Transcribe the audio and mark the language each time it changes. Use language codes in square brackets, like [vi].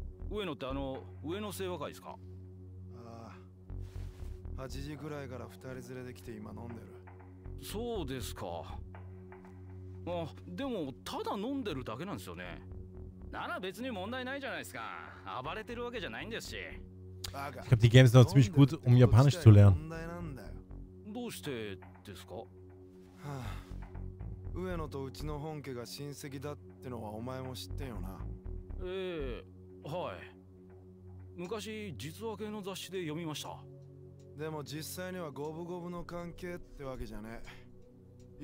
[ja] 上野ってあの上野清和会ですか？ 8時くらいから2人連れで来て今飲んでる。そうですか。あ、でもただ飲んでるだけなんですよね。なら別に問題ないじゃないですか。暴れてるわけじゃないんですし。 [de] Ich glaube, die Games sind auch ziemlich gut, um Japanisch zu lernen. [ja] どうしてですか？上野とうちの本家が親戚だってのはお前も知ってんよな。はい。昔、実話系の雑誌で読みました。でも実際には五分五分の関係ってわけじゃねえ。